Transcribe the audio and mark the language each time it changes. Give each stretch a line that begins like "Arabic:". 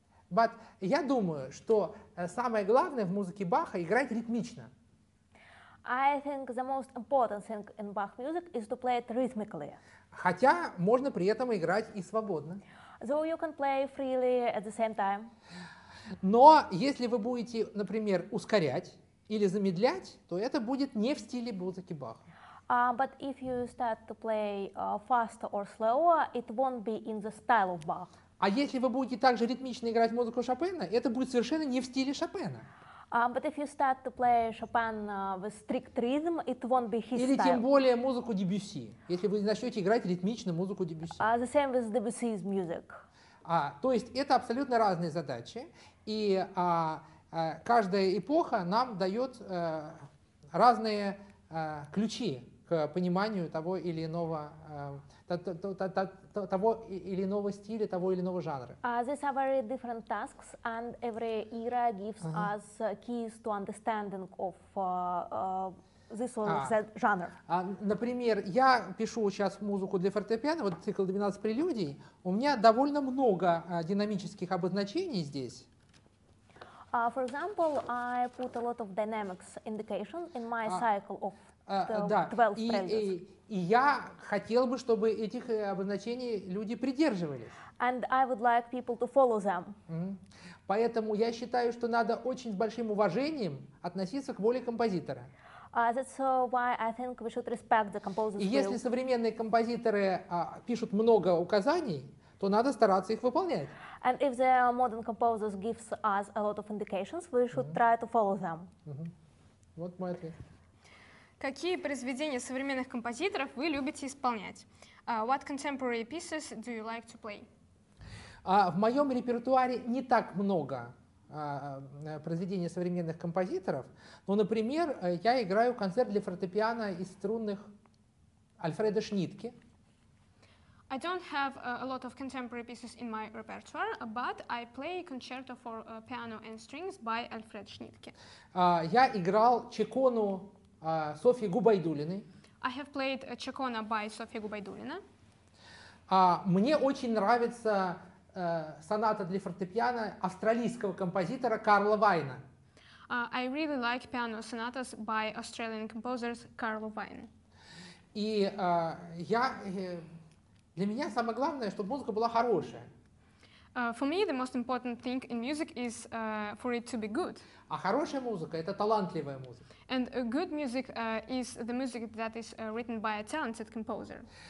Russian: But я думаю, что самое главное в музыке Баха играть ритмично.
English: I think the most important thing in Bach music is to play it rhythmically.
Russian: Хотя можно при этом играть и свободно.
English: So you can play freely at the same time.
Russian: Но если вы будете, например, ускорять или замедлять, то это будет не в стиле музыки Баха.
English: But if you start to play faster or slower, it won't be in the style of Bach.
Russian: А если вы будете также ритмично играть музыку Шопена, это будет совершенно не в стиле Шопена.
English: But if you start to play Chopin with strict rhythm, it won't be his style.
Russian: Или тем более музыку Дебюсси, если вы начнете играть ритмично музыку Дебюсси.
English: The same with Debussy's music.
Russian: То есть это абсолютно разные задачи, и каждая эпоха нам дает разные ключи к пониманию того или иного того или иного стиля, того или иного жанра.
English: These are very different tasks, and every era gives us keys to understanding of this or that genre.
Russian: Например, я пишу сейчас музыку для фортепиано, вот цикл 12 прелюдий. У меня довольно много динамических обозначений здесь.
English: For example, I put a lot of dynamics indication in my cycle of 12
Russian: прелюдий. И я хотел бы, чтобы этих обозначений люди придерживались.
English: And I would like people to follow them.
Russian: Поэтому я считаю, что надо очень с большим уважением относиться к воле композитора.
English: That's why I think we should respect the composer's will.
Russian: И если современные композиторы пишут много указаний, то надо стараться их выполнять.
English: And if the modern composers give us a lot of indications, we should try to follow them.
Russian: Вот мой ответ. Какие произведения современных композиторов вы любите исполнять?
English: What contemporary pieces do you like to play?
Russian: В моем репертуаре не так много произведений современных композиторов, но, например, я играю концерт для фортепиано и струнных Альфреда Шнитке.
English: I don't have a lot of contemporary pieces in my repertoire, but I play concerto for piano and strings by Альфред Шнитке.
Russian: Я играл Чекону Софьи Губайдулиной.
English: I have played Чекона by Софья Губайдулина.
Russian: Мне очень нравится соната для фортепиано австралийского композитора Карла Вайна.
English: I really like piano sonatas by Australian composer Carl Vine.
Russian: И я для меня самое главное, чтобы музыка была хорошая.
English: For me, the most important thing in music is for it to be good.
Russian: А хорошая музыка — это талантливая музыка.
English: And a good music is the music that is written by a talented composer.